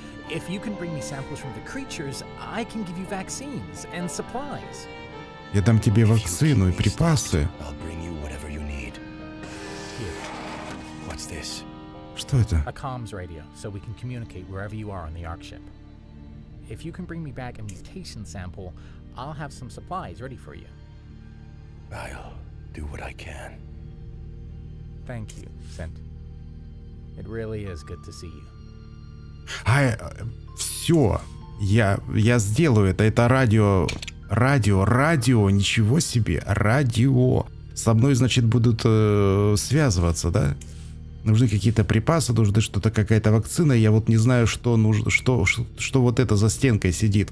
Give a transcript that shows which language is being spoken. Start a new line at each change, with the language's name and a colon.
English: If you can bring me samples from the creatures, I can give you vaccines and supplies.
Russian: Я дам тебе вакцину и припасы.
English: I'll bring you whatever you need. Here. What's this?
Russian: Что это?
English: A comms radio, so we can communicate wherever you are on the Ark ship. If you can bring me back a mutation sample, I'll have some supplies ready for you. I'll do what I can. Thank you, Sent. It really is good to see you.
Russian: А, все, я сделаю это радио, ничего себе, радио. Со мной, значит, будут связываться, да? Нужны какие-то припасы, нужны что-то, какая-то вакцина. Я вот не знаю, что нужно, что вот это за стенкой сидит.